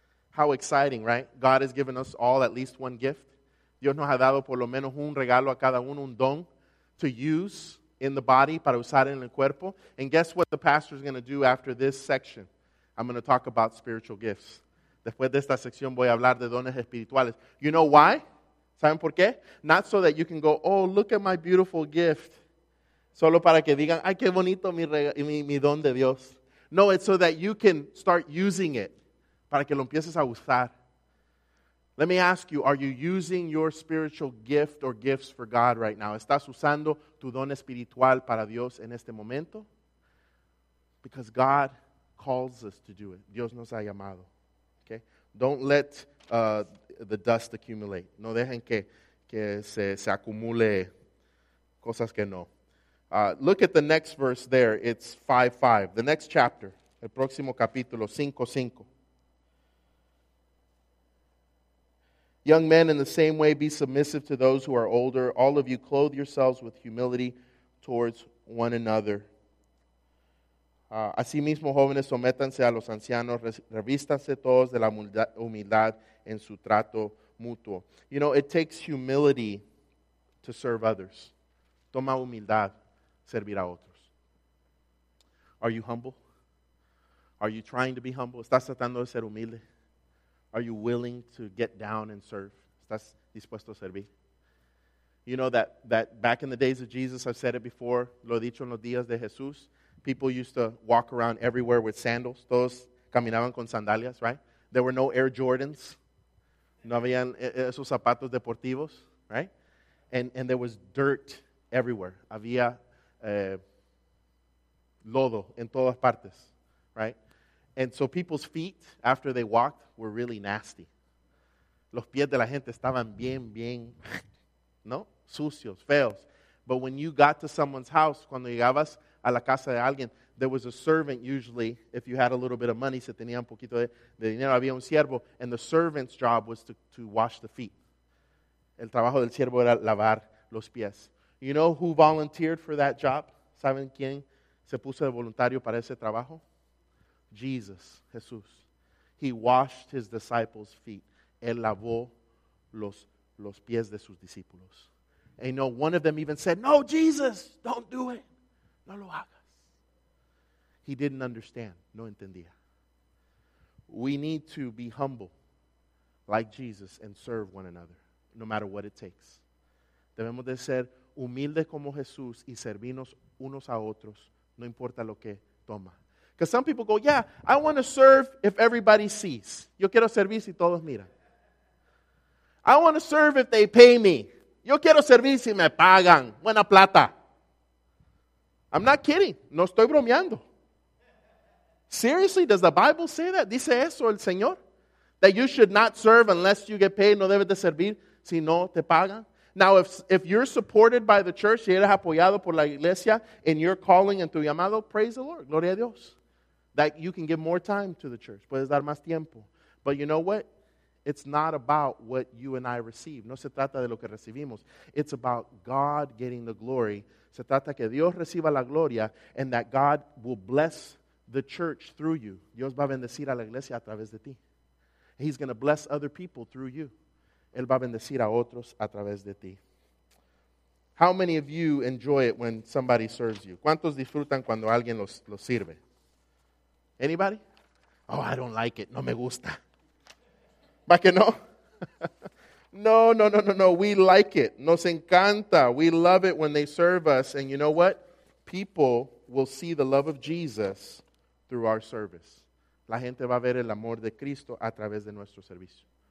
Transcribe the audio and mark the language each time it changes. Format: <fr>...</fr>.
<en>How exciting, right? God has given us all at least one gift.</en> <es>Dios nos ha dado por lo menos un regalo a cada uno, un don</es> <en>to use in the body,</en> <es>para usar en el cuerpo.</es> <en>And guess what the pastor is going to do after this section? I'm going to talk about spiritual gifts.</en> <es>Después de esta sección voy a hablar de dones espirituales.</es> <en>You know why?</en> <es>¿Saben por qué?</es> <en>Not so that you can go, oh, look at my beautiful gift.</en> <es>Solo para que digan, ay, qué bonito mi don de Dios.</es> <en>No, it's so that you can start using it.</en> <es>Para que lo empieces a usar.</es> <en>Let me ask you, are you using your spiritual gift or gifts for God right now?</en> <es>¿Estás usando tu don espiritual para Dios en este momento?</es> <en>Because God calls us to do it.</en> <es>Dios nos ha llamado.</es> <en>Okay? Don't let the dust accumulate.</en> <es>No dejen que se acumule cosas que no.</es> <en>Look at the next verse there. It's 5:5. The next chapter.</en> <es>El próximo capítulo, 5:5.</es> <en>Young men, in the same way, be submissive to those who are older. All of you, clothe yourselves with humility towards one another.</en> <es>Asimismo, jóvenes, sométanse a los ancianos. Revístanse todos de la humildad en su trato mutuo.</es> <en>You know, it takes humility to serve others.</en> <es>Toma humildad, servir a otros.</es> <en>Are you humble? Are you trying to be humble?</en> <es>¿Estás tratando de ser humilde?</es> <en>Are you willing to get down and serve?</en> <es>¿Estás dispuesto a servir?</es> <en>You know that back in the days of Jesus, I've said it before,</en> <es>lo he dicho en los días de Jesús,</es> <en>people used to walk around everywhere with sandals.</en> <es>Todos caminaban con sandalias,</es> <en>right? There were no Air Jordans.</en> <es>No habían esos zapatos deportivos,</es> <en>right? And there was dirt everywhere.</en> <es>Había lodo en todas partes, right?</es> <en>And so people's feet, after they walked, were really nasty.</en> <es>Los pies de la gente estaban bien, bien, ¿no? Sucios, feos.</es> <en>But when you got to someone's house,</en> <es>cuando llegabas a la casa de alguien,</es> <en>there was a servant usually, if you had a little bit of money,</en> <es>se tenía un poquito de dinero, había un siervo,</es> <en>and the servant's job was to wash the feet.</en> <es>El trabajo del siervo era lavar los pies.</es> <en>You know who volunteered for that job?</en> <es>¿Saben quién se puso de voluntario para ese trabajo?</es> <en>Jesus, Jesús, he washed his disciples' feet.</en> <es>Él lavó los pies de sus discípulos.</es> <en>And you know, one of them even said, no, Jesus, don't do it.</en> <es>No lo hagas.</es> <en>He didn't understand.</en> <es>No entendía.</es> <en>We need to be humble like Jesus and serve one another, no matter what it takes.</en> <es>Debemos de ser humildes como Jesús y servirnos unos a otros, no importa lo que toma.</es> <en>Because some people go, yeah, I want to serve if everybody sees.</en> <es>Yo quiero servir si todos miran.</es> <en>I want to serve if they pay me.</en> <es>Yo quiero servir si me pagan. Buena plata.</es> <en>I'm not kidding.</en> <es>No estoy bromeando.</es> <en>Seriously, does the Bible say that?</en> <es>¿Dice eso el Señor?</es> <en>That you should not serve unless you get paid.</en> <es>No debes de servir si no te pagan.</es> <en>Now, if you're supported by the church,</en> <es>si eres apoyado por la iglesia,</es> <en>and you're calling and</en> <es>tu llamado,</es> <en>praise the Lord.</en> <es>Gloria a Dios.</es> <en>That you can give more time to the church.</en> <es>Puedes dar más tiempo.</es> <en>But you know what? It's not about what you and I receive.</en> <es>No se trata de lo que recibimos.</es> <en>It's about God getting the glory.</en> <es>Se trata que Dios reciba la gloria</es> <en>and that God will bless the church through you.</en> <es>Dios va a bendecir a la iglesia a través de ti.</es> <en>He's going to bless other people through you.</en> <es>Él va a bendecir a otros a través de ti.</es> <en>How many of you enjoy it when somebody serves you?</en> <es>¿Cuántos disfrutan cuando alguien los sirve?</es> <en>Anybody? Oh, I don't like it.</en> <es>No me gusta. ¿Va que no? No. We like it. Nos encanta.</es> <en>We love it when they serve us. And you know what? People will see the love of Jesus through our service.</en> <es>La gente va a ver el amor de Cristo a través de nuestro servicio.</es>